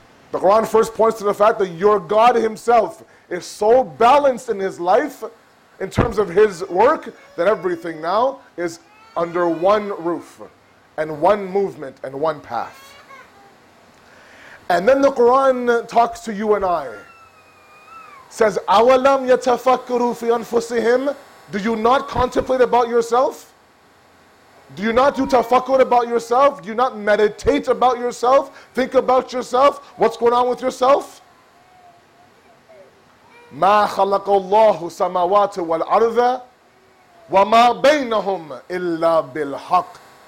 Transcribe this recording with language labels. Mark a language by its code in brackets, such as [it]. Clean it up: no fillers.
[en] The Quran first points to the fact that your God Himself is so balanced in His life, in terms of His work, that everything now is under one roof, and one movement, and one path. And then the Quran talks to you and I. Says, [ar] أَوَلَمْ يَتَفَكَّرُوا فِي أَنفُسِهِمْ. [en] Do you not contemplate about yourself? Do you not do tafakkur about yourself? Do you not meditate about yourself? Think about yourself? What's going on with yourself? [ar] مَا خَلَقَ اللَّهُ سَمَوَاتُ وَالْأَرْضَ وَمَا بَيْنَهُمْ إِلَّا بِالْحَقِّ.